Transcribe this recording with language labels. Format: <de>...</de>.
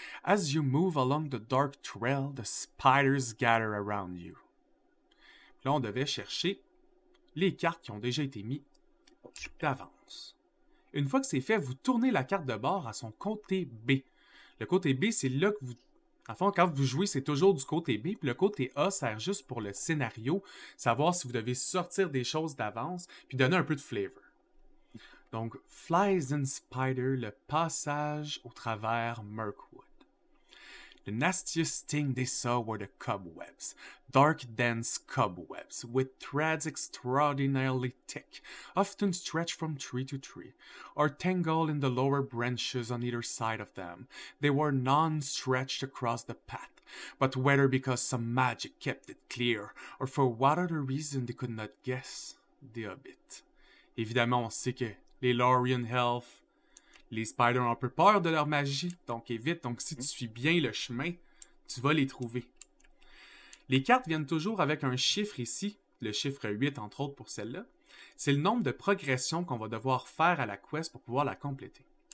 <en>As you move along the dark trail, the spiders gather around you.</en> <fr>Là, on devait chercher les cartes qui ont déjà été mises d'avance. Une fois que c'est fait, vous tournez la carte de bord à son côté B. Le côté B, c'est là que vous... En fait, quand vous jouez, c'est toujours du côté B. Puis le côté A sert juste pour le scénario, savoir si vous devez sortir des choses d'avance, puis donner un peu de flavor. Donc, Flies and Spider, le passage au travers Mirkwood.</fr> <en>The nastiest thing they saw were the cobwebs. Dark, dense cobwebs, with threads extraordinarily thick, often stretched from tree to tree, or tangled in the lower branches on either side of them. They were non-stretched across the path, but whether because some magic kept it clear, or for what other reason they could not guess, the Hobbit.</en> <fr>Évidemment, on sait que les Lorien Elf, les spiders ont un peu peur de leur magie, donc évite. Donc si tu suis bien le chemin, tu vas les trouver. Les cartes viennent toujours avec un chiffre ici, le chiffre 8 entre autres pour celle-là. C'est le nombre de progressions qu'on va devoir faire à la quest pour pouvoir la compléter.</fr>